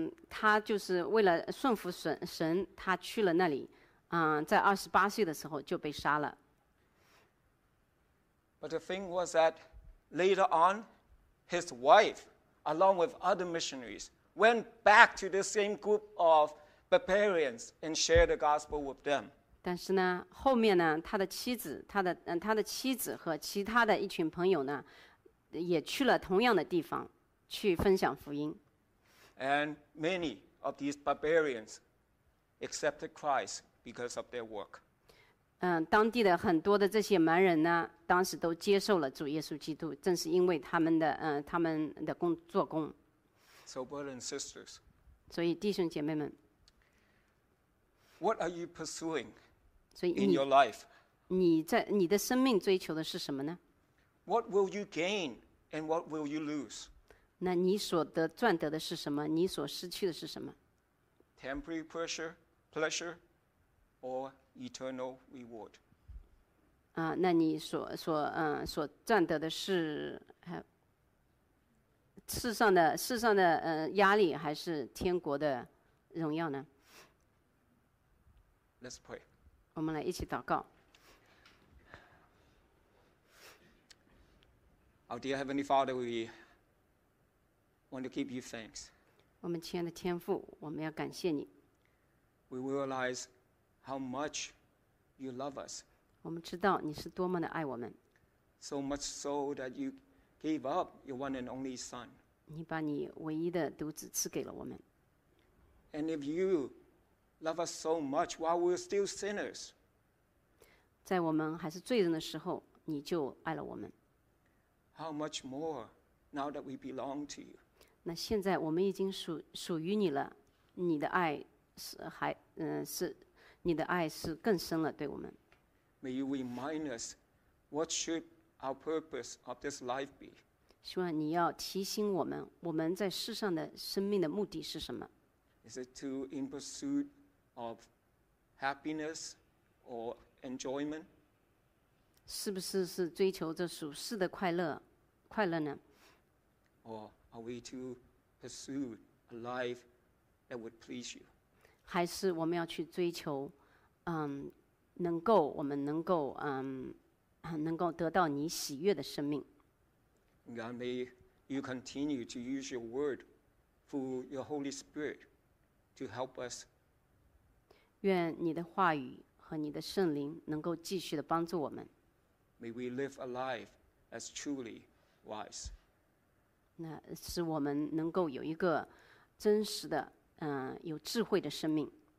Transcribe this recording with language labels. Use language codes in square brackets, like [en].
[zh] 他就是为了顺服神他去了那里。在28岁的时候就被杀了。 [en] But the thing was that later on, his wife, along with other missionaries, went back to the same group of barbarians and shared the gospel with them. [zh] 但是呢，后面呢，他的妻子和其他的一群朋友呢，也去了同样的地方去分享福音。 [en] And many of these barbarians accepted Christ. Because of their work. [zh] 当地的很多的这些蛮人呢，当时都接受了主耶稣基督，正是因为他们的做工。 [en] So brothers and sisters. [zh] 所以弟兄姐妹们。 [en] What are you pursuing? [zh] 所以你 [en] in your life. [zh] 你的生命追求的是什么呢 [en] ？What will you gain and what will you lose? [zh] 那你所得赚得的是什么？你所失去的是什么 [en] ？Temporary pleasure. Or eternal reward. [zh] 那你所赚得的是世上的压力，还是天国的荣耀呢 [en] ？Let's pray. [zh] 我们来一起祷告。 [en] Our dear Heavenly Father, we want to give you thanks. [zh] 我们亲爱的天父，我们要感谢你。 [en] We realize. How much you love us. [zh] 我们知道你是多么的爱我们。 [en] So much so that you gave up your one and only son. [zh] 你把你唯一的独子赐给了我们。 [en] And if you love us so much while we're still sinners. [zh] 在我们还是罪人的时候你就爱了我们。 [en] How much more now that we belong to you. [zh] 那现在我们已经属于你了，你的爱是是你的爱是更深了对我们。 [en] May you remind us what should our purpose of this life be? [zh] 希望你要提醒我们，我们在世上的生命的目的是什么？ [en] Is it to in pursuit of happiness or enjoyment? [zh] 是不是是追求着属世的快乐呢？ [en] Or are we to pursue a life that would please you? [zh] 还是我们要去追求，能够我们能够能够得到你喜悦的生命。 [en] God, may you continue to use your word through your Holy Spirit to help us. [zh] 愿你的话语和你的圣灵能够继续的帮助我们。 [en] May we live a life as truly wise. [zh] 那使我们能够有一个真实的有智慧的生命。